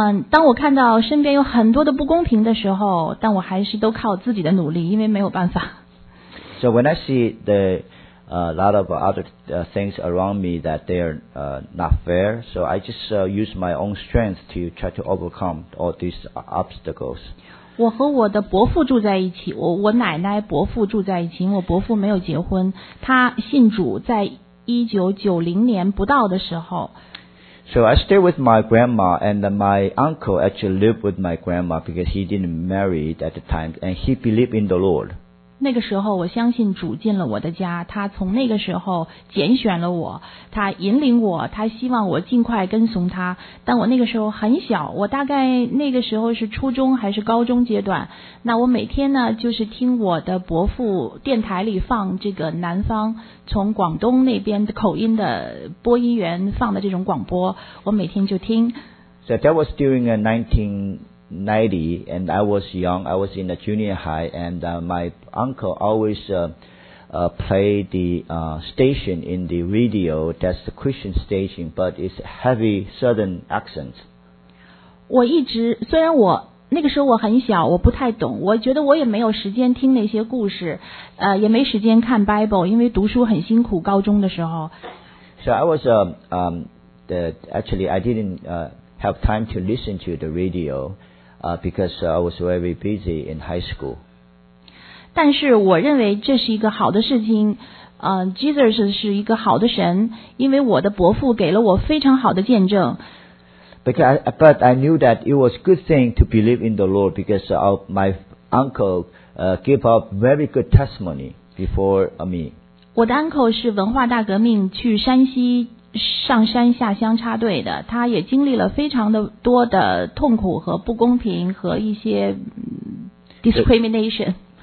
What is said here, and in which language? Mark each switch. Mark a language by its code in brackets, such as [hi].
[zh] 当我看到身边有很多的不公平的时候，但我还是都靠自己的努力，因为没有办法。 [en] So when I see the lot of other things around me that they are not fair, so I just use my own strength to try to overcome all these obstacles. [zh] 我和我的伯父住在一起，我奶奶伯父住在一起，因为我伯父没有结婚，他信主在1990年不到的时候。 [en] So I stayed with my grandma, and my uncle actually lived with my grandma because he didn't marry at the time, and he believed in the Lord. [zh] 那个时候，我相信主进了我的家，他从那个时候拣选了我，他引领我，他希望我尽快跟从他。但我那个时候很小，我大概那个时候是初中还是高中阶段。那我每天呢，就是听我的伯父电台里放这个南方从广东那边的口音的播音员放的这种广播，我每天就听。 [en] So that was during a 1990, and I was young. I was in a junior high, and my uncle always play the station in the radio. That's the Christian station, but it's heavy Southern accent. [zh] 我一直虽然我那个时候我很小，我不太懂，我觉得我也没有时间听那些故事，也没时间看 Bible, 因为读书很辛苦，高中的时候。 [en] So I was actually I didn't have time to listen to the radio, because I was very busy in high school. [zh] 但是我认为这是一个好的事情，Jesus 是一个好的神，因为我的伯父给了我非常好的见证。 [en] But I knew that it was a good thing to believe in the Lord because of my uncle gave up very good testimony before me. [zh] 我的 uncle 是文化大革命去山西上山下乡插队的，他也经历了非常的多的痛苦和不公平和一些 discrimination.